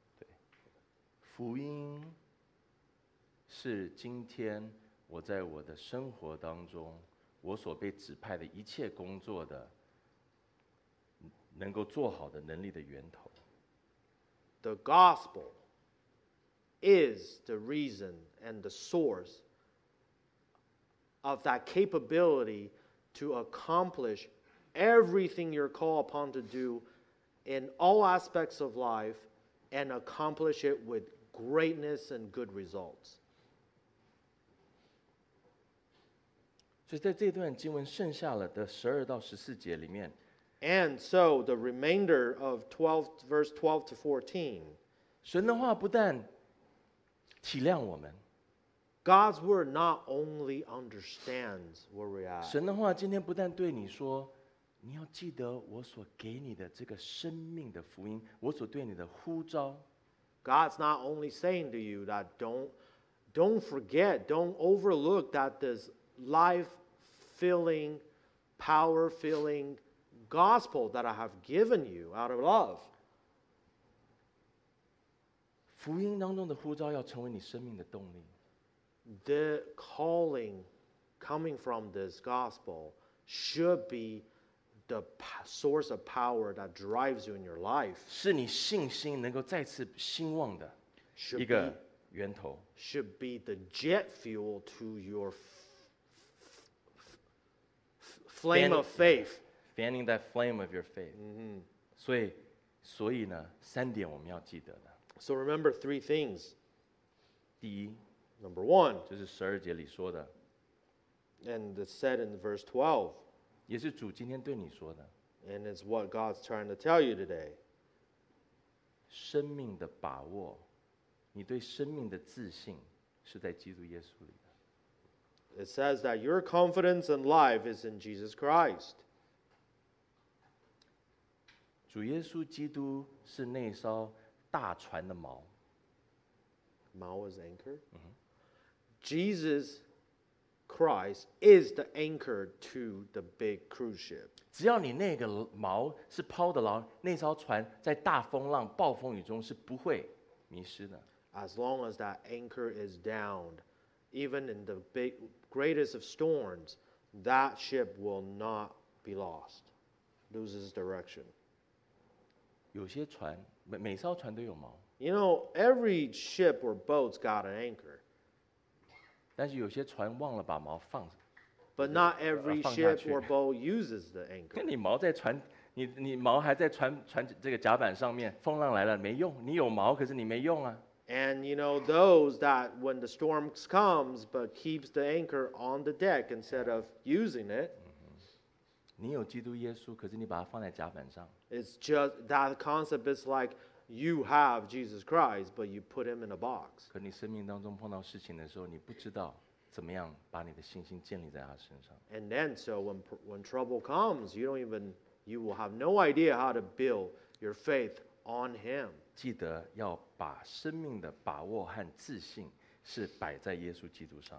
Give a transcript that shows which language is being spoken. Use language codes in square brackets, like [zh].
[zh] 对，福音是今天我在我的生活当中，我所被指派的一切工作的能够做好的能力的源头。 [en] The gospel is the reason and the source of that capability to accomplish everything you're called upon to do. In all aspects of life, and accomplish it with greatness and good results. [zh] 所以在这段经文剩下了的十二到十四节里面 [en] ，and so the remainder of verse 12 to 14, [zh] 神的话不但体谅我们 [en] ，God's word not only understands where we are. [zh] 神的话今天不但对你说。你要记得我所给你的这个生命的福音，我所对你的呼召。 [en] God's not only saying to you that don't forget, don't overlook that this life-filling, power-filling gospel that I have given you out of love. [zh] 福音当中的呼召要成为你生命的动力。 [en] The calling coming from this gospel should be. The source of power that drives you in your life [zh] 是你信心能够再次兴旺的一个源头 [en] should be the jet fuel to your flame of faith fanning that flame of your faith、 mm-hmm. [zh] 所以呢三点我们要记得的 [en] so remember three things [zh] 第一 [en] number one [zh] 就是十二节里说的 [en] and it's said in verse 12 [zh] 也是主今天对你说的。 [en] And it's what God's trying to tell you today. [zh] 生命的把握，你对生命的自信是在基督耶稣里的。 [en] It says that your confidence in life is in Jesus Christ. [zh] 主耶稣基督是那艘大船的锚。 [en] 锚 is anchor. Jesus Christ is the anchor to the big cruise ship. [zh] 只要你那个锚是抛得牢，那艘船在大风浪、暴风雨中是不会迷失的。 [en] As long as that anchor is down, even in the big, greatest of storms, that ship will not be lost, loses direction. [zh] 有些船，每艘船都有锚。 [en] You know, every ship or boat's got an anchor. [zh] 但是有些船忘了把锚放。 [en] But not every ship or boat uses the anchor. [zh] 那你锚在船，你锚还在船这个甲板上面，风浪来了没用，你有锚可是你没用啊。 [en] And you know those that when the storm comes but keeps the anchor on the deck instead of using it. [zh] 你有基督耶稣，可是你把它放在甲板上。 [en] It's just that concept is like you have Jesus Christ but you put him in a box. [zh] 可你生命当中碰到事情的时候，你不知道怎么样把你的信心建立在他身上。 [en] And then so when trouble comes, you will have no idea how to build your faith on him. [zh] 记得要把生命的把握和自信是摆在耶稣基督上。